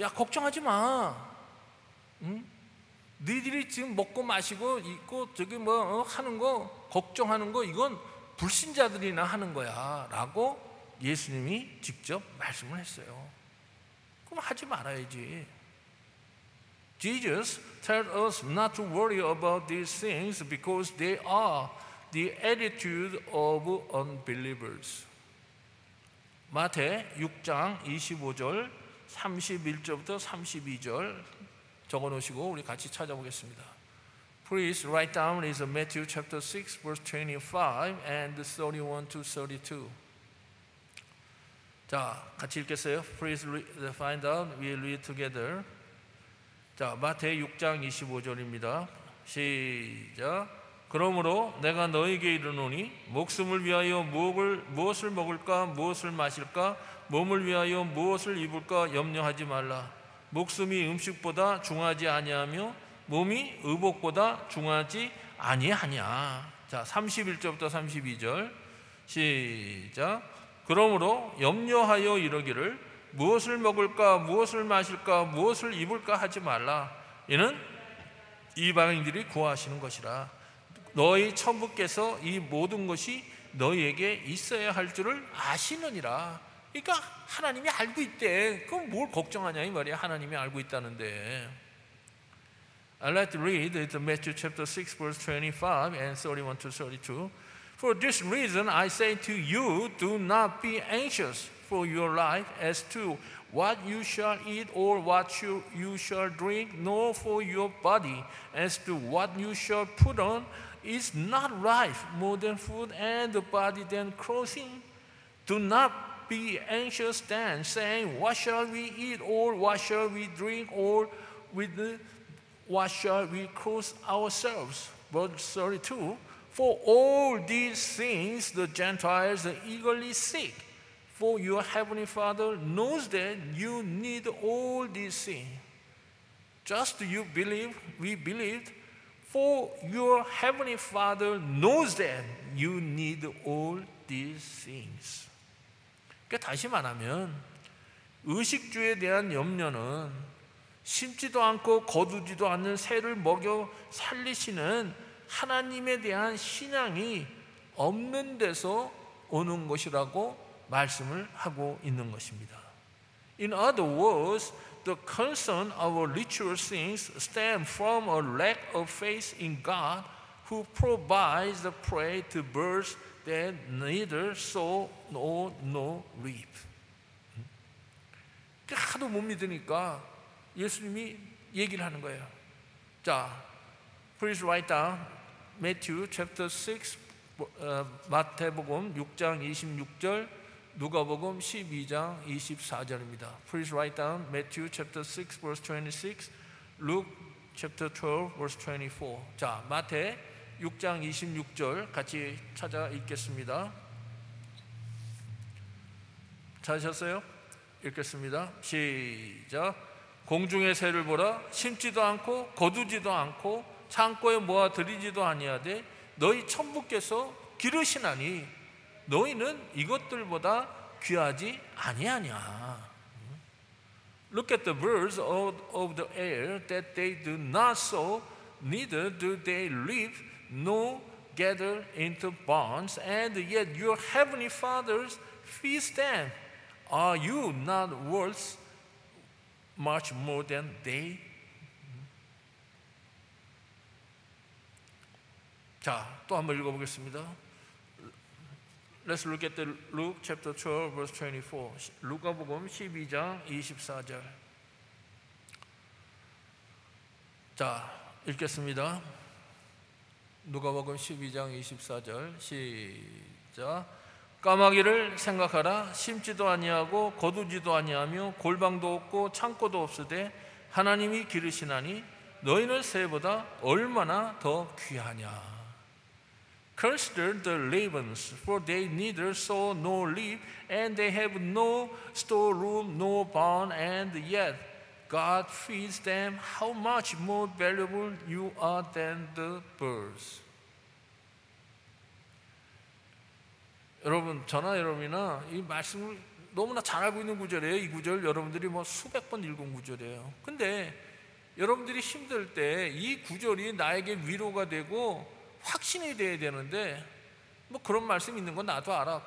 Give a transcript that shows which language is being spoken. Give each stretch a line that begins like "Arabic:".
Korean: 야, 걱정하지 마. 응? 니들이 지금 먹고 마시고 있고 저기 뭐 하는 거 걱정하는 거 이건 불신자들이나 하는 거야 라고 예수님이 직접 말씀을 했어요. 그럼 하지 말아야지.
English: Jesus tells us not to worry about these things because they are the attitude of unbelievers.
Korean: 마태 6장 25절 31절부터 32절 적어놓으시고 우리 같이 찾아보겠습니다.
English: Please write down is Matthew chapter 6 verse 25 and 31 to 32.
Korean: 자, 같이 읽겠어요.
English: Please find out. We'll read together.
Korean: 자, 마태 6장 25절입니다. 시작. 그러므로 내가 너에게 이르노니 목숨을 위하여 무엇을 먹을까 무엇을 마실까 몸을 위하여 무엇을 입을까 염려하지 말라. 목숨이 음식보다 중하지 아니하며 몸이 의복보다 중하지 아니하냐. 자, 31절부터 32절 시작. 그러므로 염려하여 이르기를 무엇을 먹을까 무엇을 마실까 무엇을 입을까 하지 말라. 이는 이방인들이 구하시는 것이라. 너희 천부께서 이 모든 것이 너희에게 있어야 할 줄을 아시느니라. 그러니까 하나님이 알고 있대. 그럼 뭘 걱정하냐 이 말이야. 하나님이 알고 있다는데.
English: I'd like to read the Matthew chapter 6 verse 25 and 31 to 32. For this reason I say to you, do not be anxious for your life as to what you shall eat or what you shall drink, nor for your body as to what you shall put on. Is not life more than food and the body than clothing? Do not be anxious then, saying, what shall we eat or what shall we drink or with what shall we clothe ourselves? Verse 32, for all these things the Gentiles eagerly seek, for your heavenly Father knows that you need all these things. Just you believe, we believe, for your heavenly Father knows that you need all these things.
Korean: 그러니까 다시 말하면 의식주에 대한 염려는 심지도 않고 거두지도 않는 새를 먹여 살리시는 하나님에 대한 신앙이 없는 데서 오는 것이라고 말씀을 하고 있는 것입니다.
English: In other words, the concern of ritual things stem from a lack of faith in God who provides the prey to birds that neither sow nor reap.
Korean: 하도 못 믿으니까 예수님이 얘기를 하는 거예요. 자,
English: please write down Matthew chapter 6,
Korean: 마태복음 6장 26절, 누가복음 12장 24절입니다.
English: Please write down Matthew chapter 6 verse 26, Luke chapter 12 verse 24.
Korean: 자, 마태 6장 26절 같이 찾아 읽겠습니다. 찾으셨어요? 읽겠습니다. 시작. 공중의 새를 보라. 심지도 않고 거두지도 않고 창고에 모아 들이지도 아니하되 너희 천부께서 기르시나니 너희는 이것들보다 귀하지 아니하냐.
English: Look at the birds of the air that they do not sow, neither do they reap, nor gather into barns, and yet your heavenly fathers feeds them. Are you not worth much more than they?
Korean: 자, 또 한번 읽어보겠습니다.
English: Let's look at the Luke chapter 12, verse 24.
Korean: 누가복음 12장 24절. 자, 읽겠습니다. 누가복음 12장 24절. 시작. 까마귀를 생각하라. 심지도 아니하고 거두지도 아니하며 골방도 없고 창고도 없으되 하나님이 기르시나니 너희는 새보다 얼마나 더 귀하냐.
English: Consider the ravens, for they neither sow nor reap, and they have no storeroom nor barn, and yet God feeds them. How much more valuable you are than the birds.
Korean: 여러분, 저나 여러분이나 이 말씀을 너무나 잘 알고 있는 구절이에요. 이 구절 여러분들이 뭐 수백 번 읽은 구절이에요. 근데 여러분들이 힘들 때 이 구절이 나에게 위로가 되고 확신이 돼야 되는데 뭐 그런 말씀 있는 건 나도 알아.